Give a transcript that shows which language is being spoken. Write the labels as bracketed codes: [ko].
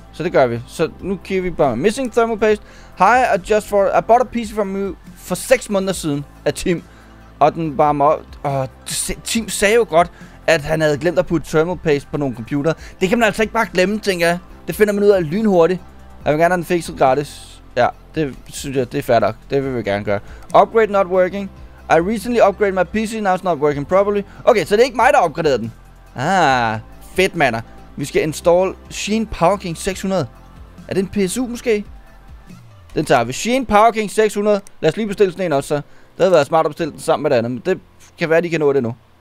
[da] Så det gør vi. Så nu kigger vi bare. [en] Missing thermal paste. Hi, I bought a piece from you for [da] 6 måneder siden af Tim. Og den bare Tim sagde jo godt, at han havde glemt at putte thermal paste på nogle computer. Det kan man altså ikke bare glemme, tænker jeg. Det finder man ud af lynhurtigt. Jeg vil gerne have den fikset gratis. Ja, det synes jeg, det er fair nok. Det vil vi gerne gøre. [en] Upgrade not working. I recently upgraded my PC, now it's not working properly. [da] Okay, så det er ikke mig, der opgraderede den. Ah, fedt, mander. Vi skal install Sheen Power King 600. Er det en PSU, måske? Den tager vi. Sheen Power King 600. Lad os lige bestille sådan en også, så. Det havde været smart at bestille den sammen med det andet, men det kan være, at de kan nå det nu.